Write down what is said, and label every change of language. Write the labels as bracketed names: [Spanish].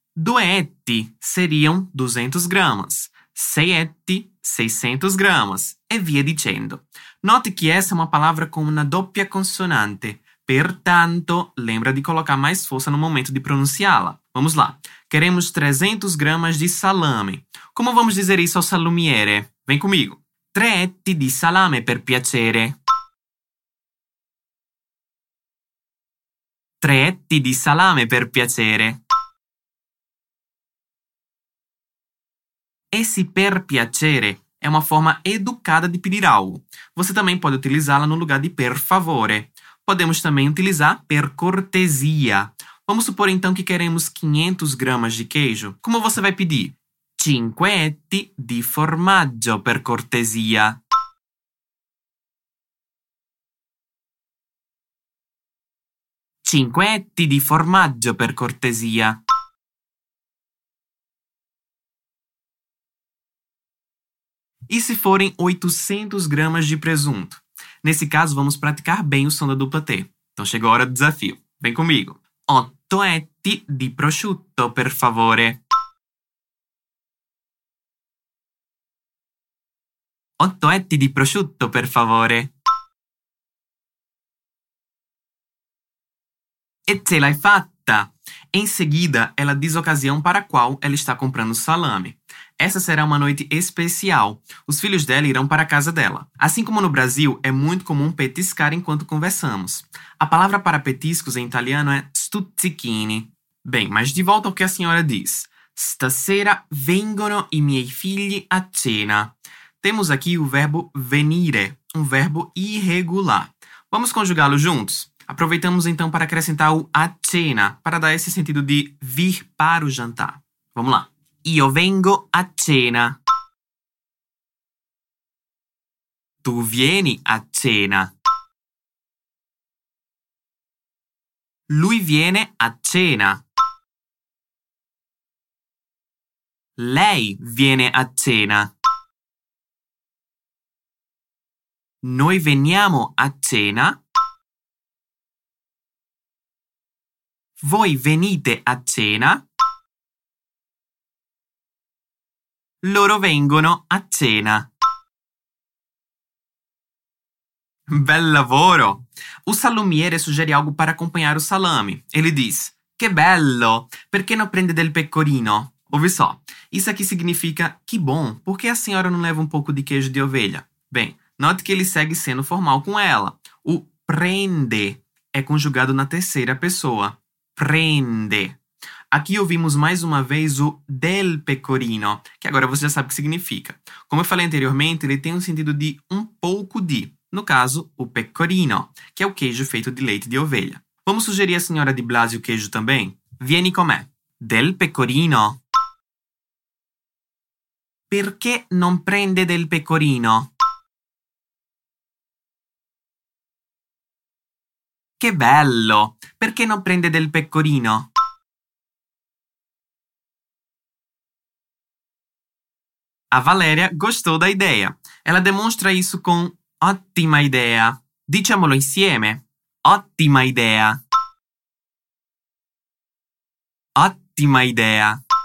[Portuguese] 2 etti seriam 200 gramas. 6 etti, 600 gramas. [Italian] E via dicendo. [Portuguese] Note que essa é uma palavra com uma [Italian] doppia consonante. [Portuguese] Pertanto, lembra de colocar mais força no momento de pronunciá-la. Vamos lá. Queremos 300 gramas de salame. Como vamos dizer isso ao salumiere? Vem comigo. [Italian] 3 etti di salame, per piacere. 3 etti di salame, per piacere. [Portuguese] Esse per piacere é uma forma educada de pedir algo. Você também pode utilizá-la no lugar de per favore. Podemos também utilizar per cortesia. Vamos supor então que queremos 500 gramas de queijo. Como você vai pedir? [Italian] 5 etti di formaggio, per cortesia. 5 etti di formaggio, per cortesia. [Portuguese] E se forem 800 gramas de presunto? Nesse caso, vamos praticar bem o som da dupla T. Então, chegou a hora do desafio. Vem comigo. [Italian] 8 etti di prosciutto, per favore. 8 etti di prosciutto, per favore. E ce l'hai fatta! [Portuguese] Em seguida, ela diz a ocasião para a qual ela está comprando salame. Essa será uma noite especial. Os filhos dela irão para a casa dela. Assim como no Brasil, é muito comum petiscar enquanto conversamos. A palavra para petiscos em italiano é stuzzichini. Bem, mas de volta ao que a senhora diz. [Italian] Stasera vengono i miei figli a cena. [Portuguese] Temos aqui o verbo venire, um verbo irregular. Vamos conjugá-lo juntos? Aproveitamos então para acrescentar o a cena, para dar esse sentido de vir para o jantar. Vamos lá. [Italian] Io vengo a cena. Tu vieni a cena. Lui viene a cena. Lei viene a cena. Noi veniamo a cena. Voi venite a cena. Loro vengono a cena. Bel lavoro! O salumiere suggerì algo per accompagnare il salame. [Portuguese] Ele diz: [Italian] Che bello! Perché non prende del pecorino? [Portuguese] Ouvi só. Isso aqui significa: Que bom! Por que a senhora não leva um pouco de queijo de ovelha? Bem, note que ele segue sendo formal com ela. O prende é conjugado na terceira pessoa. Prende. Aqui ouvimos mais uma vez o del pecorino, que agora você já sabe o que significa. Como eu falei anteriormente, ele tem um sentido de um pouco de. No caso, o pecorino, que é o queijo feito de leite de ovelha. Vamos sugerir à senhora de Blasi o queijo também? [Italian] Vieni com me. Del pecorino. Perché non prende del pecorino? Che bello! Perché non prende del pecorino? [Portuguese] A Valeria gostou da ideia. Ela demonstra isso com [Italian] ottima idea. Diciamolo insieme. Ottima idea. Ottima idea.